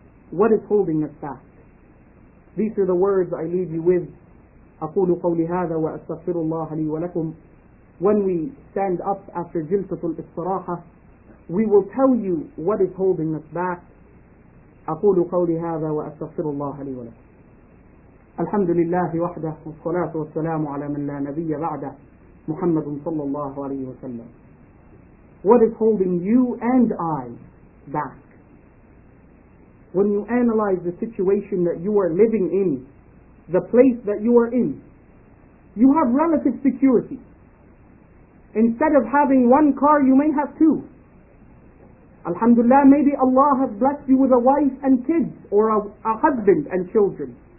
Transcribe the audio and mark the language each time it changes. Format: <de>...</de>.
<en>What is holding us back? These are the words I leave you with.</en> <ar>أَقُولُ قَوْلِ هَذَا وَأَسْتَغْفِرُ اللَّهَ لِي وَلَكُمْ.</ar> <en>When we stand up after جِلْسَةُ الْإِسْتِرَاحَةِ, we will tell you what is holding us back.</en> <ar>أقول قولي هذا وأستغفر الله لي ولكم. الحمد لله وحده والصلاة والسلام على من لا نبي بعده محمد صلى الله عليه وسلم.</ar> <en>What is holding you and I back? When you analyze the situation that you are living in, the place that you are in, you have relative security. Instead of having one car, you may have two. Alhamdulillah, maybe Allah has blessed you with a wife and kids, or a husband and children.</en>